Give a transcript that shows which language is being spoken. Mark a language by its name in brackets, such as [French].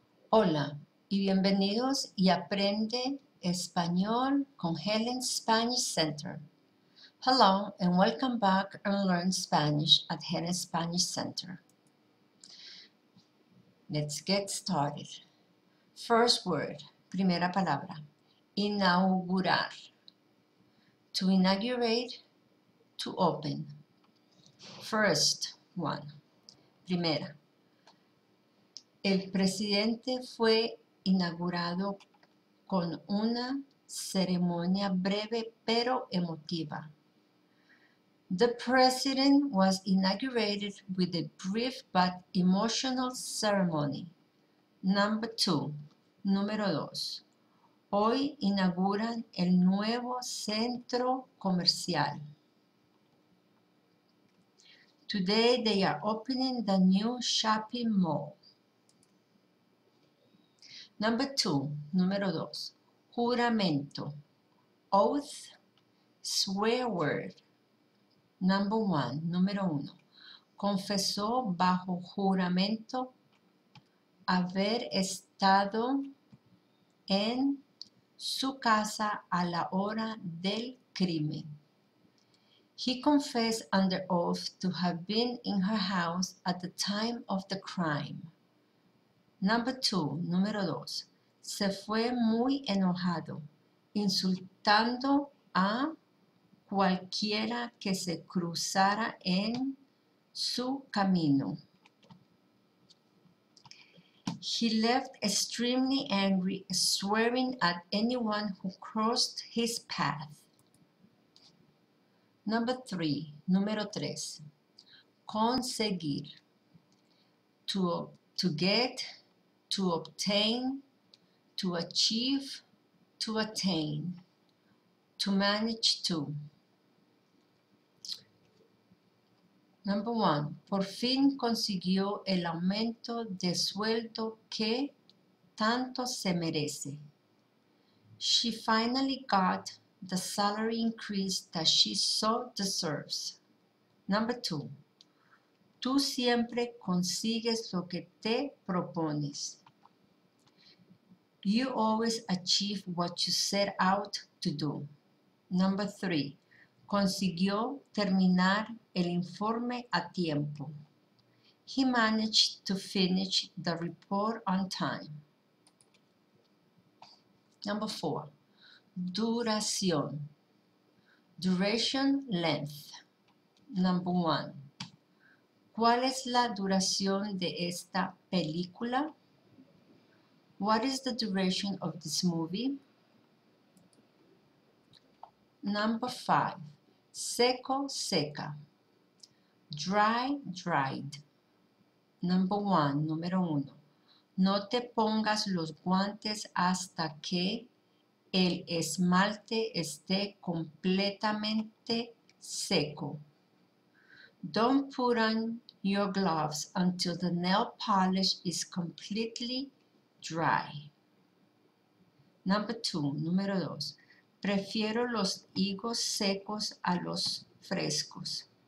[Spanish] Hola y bienvenidos y aprende español con Helen Spanish Center. [English] Hello and welcome back and learn Spanish at Helen Spanish Center. Let's get started. First word, [Spanish] primera palabra, [English] inaugurar. To inaugurate, to open. First one, primera. [Spanish] El presidente fue inaugurado con una ceremonia breve pero emotiva. [English] The president was inaugurated with a brief but emotional ceremony. Number two, [Spanish] número dos. Hoy inauguran el nuevo centro comercial. [English] Today they are opening the new shopping mall. Number two, [Spanish] número dos, [English] juramento, oath, swear word. Number one, [Spanish] número uno, confesó bajo juramento haber estado en su casa a la hora del crimen. [English] He confessed under oath to have been in her house at the time of the crime. [Spanish] Number two, número dos, se fue muy enojado, insultando a cualquiera que se cruzara en su camino. [English] He left extremely angry, swearing at anyone who crossed his path. Number three, [Spanish] número tres, [English] conseguir, to get, to obtain, to achieve, to attain, to manage to. Number one, [Spanish] por fin consiguió el aumento de sueldo que tanto se merece. [English] She finally got the salary increase that she so deserves. Number two, [Spanish] tú siempre consigues lo que te propones. [English] You always achieve what you set out to do. Number three, [Spanish] consiguió terminar el informe a tiempo. [English] He managed to finish the report on time. Number four, duración. Duration, length. Number one, [Spanish] ¿cuál es la duración de esta película? [English] What is the duration of this movie? Number five, seco, seca. Dry, dried. Number one, [Spanish] número uno. No te pongas los guantes hasta que el esmalte esté completamente seco. [English] Don't put on your gloves until the nail polish is completely dry. Number two, [Spanish] número dos. Prefiero los higos secos a los frescos.